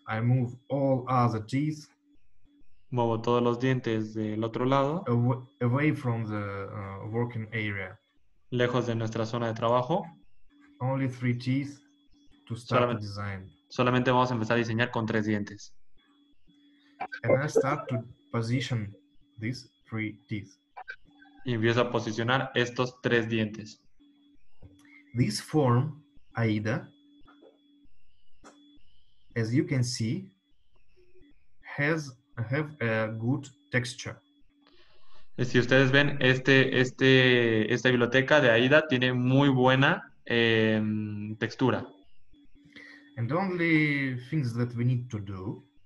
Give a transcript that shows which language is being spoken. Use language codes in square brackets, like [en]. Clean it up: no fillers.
[en] I move all other teeth. [es] Muevo todos los dientes del otro lado. [en] Away from the working area. [es] Lejos de nuestra zona de trabajo. [en] Only three teeth to start the design. [es] Solamente vamos a empezar a diseñar con tres dientes. [en] And I start to position these three teeth. [es] Y empiezo a posicionar estos tres dientes. [en] This form, AIDA, as you can see, have a good texture. [es] Si ustedes ven, esta biblioteca de AIDA tiene muy buena textura. [en] And only things that we need to do.